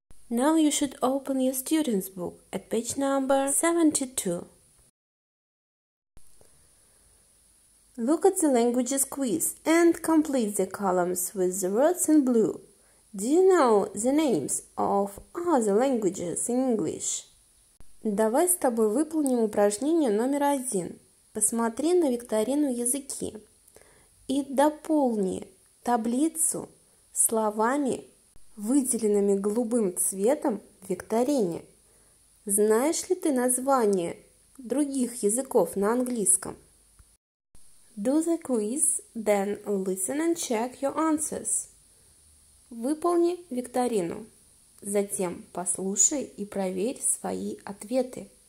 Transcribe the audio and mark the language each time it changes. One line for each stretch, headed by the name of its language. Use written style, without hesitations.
English: Now you should open your student's book at page number 72. Look at the languages quiz and complete the columns with the words in blue. Do you know the names of other languages in English?
Russian: Давай с тобой выполним упражнение номер один. Посмотри на викторину языки и дополни таблицу словами, выделенными голубым цветом в викторине. Знаешь ли ты название других языков на английском?
English: Do the quiz, then listen and check your answers.
Russian: Выполни викторину. Затем послушай и проверь свои ответы.